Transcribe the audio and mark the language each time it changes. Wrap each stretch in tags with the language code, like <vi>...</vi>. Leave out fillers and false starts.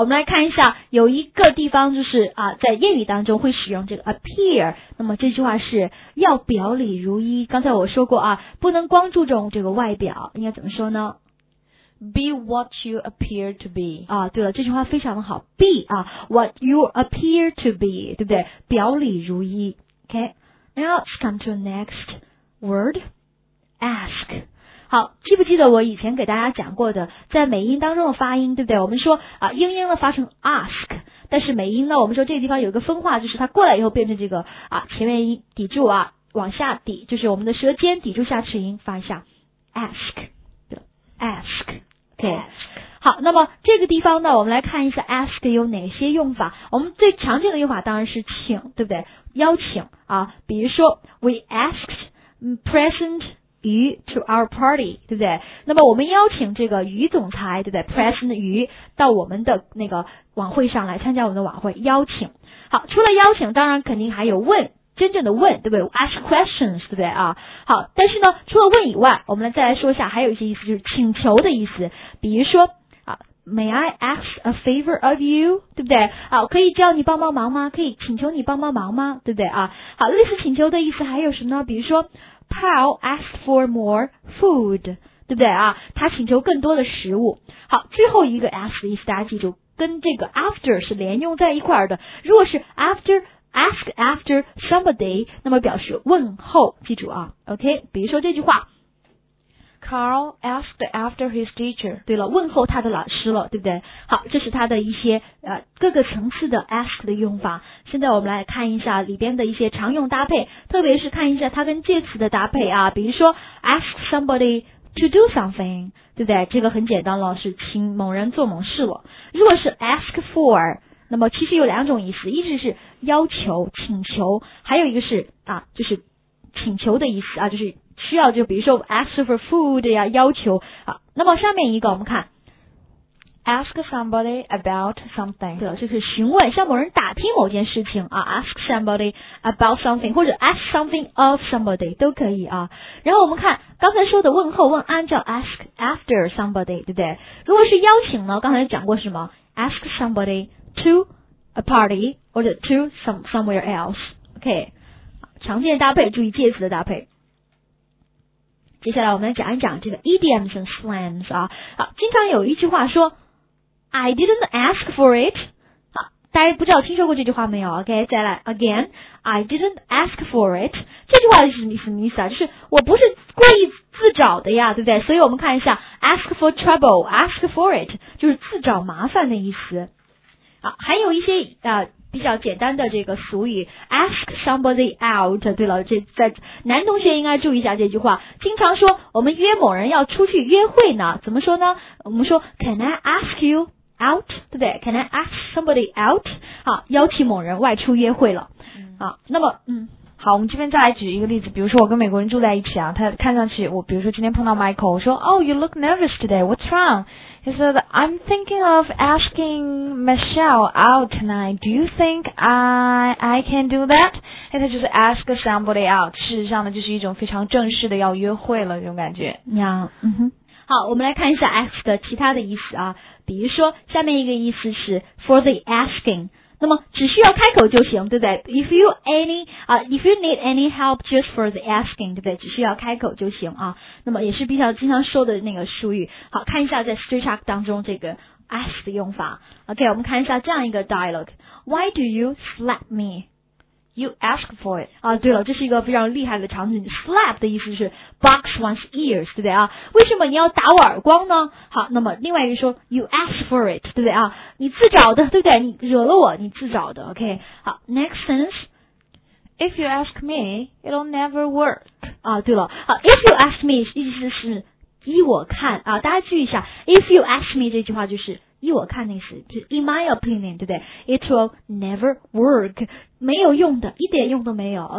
<zh>我们来看一下有一个地方就是在谚语当中会使用这个 appear， 那么这句话是要表里如一，刚才我说过不能光注重这个外表，应该怎么说呢？</zh> <en>Be what you appear to be</en> <zh>啊，对了，这句话非常的好。</zh> <en>Be 啊 ，what you appear to be，</en> <zh>对不对？表里如一。</zh> <en>OK， now let's come to next word， ask。</en> <zh>好，记不记得我以前给大家讲过的，在美音当中的发音，对不对？我们说英音呢发成 ask， 但是美音呢，我们说这个地方有一个分化，就是它过来以后变成这个前面音抵住往下抵，就是我们的舌尖抵住下齿音发一下 ask。</zh> <en>Ask， OK， ask.</en> <zh>好，那么这个地方呢，我们来看一下 ask 有哪些用法。我们最常见的用法当然是请，对不对？邀请比如说</zh> <en>we asked President Yu to our party，</en> <zh>对不对？那么我们邀请这个于总裁，对不对 ？President Yu 到我们的那个晚会上来参加我们的晚会，邀请。好，除了邀请，当然肯定还有问。真正的问，对不对 ？</zh> <en>Ask questions，</en> <zh>对不对好，但是呢，除了问以外，我们再来说一下，还有一些意思就是请求的意思。比如说</zh> <en>May I ask a favor of you，</en> <zh>对不对可以叫你帮帮忙吗？可以请求你帮帮忙吗？对不对好，类似请求的意思还有什么呢？比如说 ，</zh> <en>Paul asked for more food，</en> <zh>对不对他请求更多的食物。好，最后一个 ask 的意思大家记住，跟这个 after 是连用在一块的。如果是</zh> <en>ask after somebody，</en> <zh>那么表示问候，记住OK， 比如说这句话</zh> <en>Carl asked after his teacher，</en> <zh>对了，问候他的老师了，对不对？好，这是他的一些各个层次的 ask 的用法。现在我们来看一下里边的一些常用搭配，特别是看一下他跟介词的搭配比如说</zh> <en>ask somebody to do something，</en> <zh>对不对？这个很简单了，是请某人做某事了。如果是 ask for，那么其实有两种意思，一直是要求请求，还有一个是就是请求的意思就是需要，就比如说</zh> <en>ask for food</en> <zh>呀，要求那么上面一个我们看</zh> <en>ask somebody about something.</en> <zh>对，就是询问，向某人打听某件事情啊。</zh> <en>Ask somebody about something,</en> <zh>或者</zh> <en>ask something of somebody,</en> <zh>都可以啊。然后我们看刚才说的问候问安叫</zh> <en>ask after somebody,</en> <zh>对不对？如果是邀请呢，刚才讲过什么？</zh> <en>Ask somebody to a party, 或者 to somewhere else.</en> <zh>OK, 常见搭配，注意介词的搭配。接下来我们来讲一讲这个</zh> <en>idioms and slangs</en> <zh>啊。好，经常有一句话说</zh> <en>I didn't ask for it。</en> <zh>好，大家不知道听说过这句话没有？ OK, 再来 again,</zh> <en>I didn't ask for it。</en> <zh>这句话是什么意思啊？就是我不是故意自找的呀，对不对？所以我们看一下</zh> <en>ask for trouble, ask for it,</en> <zh>就是自找麻烦的意思。好，还有一些比较简单的这个俗语</zh> <en>ask somebody out,</en> <zh>对了，这在男同学应该注意一下这句话，经常说我们约某人要出去约会呢，怎么说呢？我们说</zh> <en>can I ask you out,</en> <zh>对不对？</zh> <en>can I ask somebody out,</en> <zh>好，邀请某人外出约会了、好，那么好，我们这边再来举一个例子，比如说我跟美国人住在一起啊，他看上去，我比如说今天碰到 Michael, 我说</zh> <en>Oh, you look nervous today, what's wrong? He said, I'm thinking of asking Michelle out tonight. Do you think I can do that? And</en> <zh>他就是</zh> <en>ask somebody out.</en> <zh>事实上呢，就是一种非常正式的要约会了这种感觉。</zh> <en>Yeah.</en> <zh>好，我们来看一下 ask 的其他的意思啊。比如说，下面一个意思是</zh> <en>for the asking。</en> <zh>那么只需要开口就行，对不对？</zh> <en>If you need any help just for the asking,</en> <zh>对不对？只需要开口就行啊。那么也是比较经常说的那个术语。好，看一下在 Street Talk 当中这个 ask 的用法。 OK, 我们看一下这样一个 dialogue.</zh> <en>Why do you slap me? You ask for it.</en> <zh>啊，对了，这是一个非常厉害的场景。Slap 的意思是</zh> <en>box one's ears,</en> <zh>对不对啊？为什么你要打我耳光呢？好，那么另外一个说</zh> <en>you ask for it,</en> <zh>对不对啊？你自找的，对不对？你惹了我，你自找的。OK, 好 ，</zh> <en>next sentence. If you ask me, it'll never work.</en> <zh>啊，对了，好 ，</zh> <en>if you ask me</en> <zh>意思是依我看啊，大家注意一下 ，if you ask me 这句话就是依我看的意思，就是</zh> <en>in my opinion,</en> <zh>对不对 ？</zh> <en>It will never work,</en> <zh>没有用的，一点用都没有。</zh>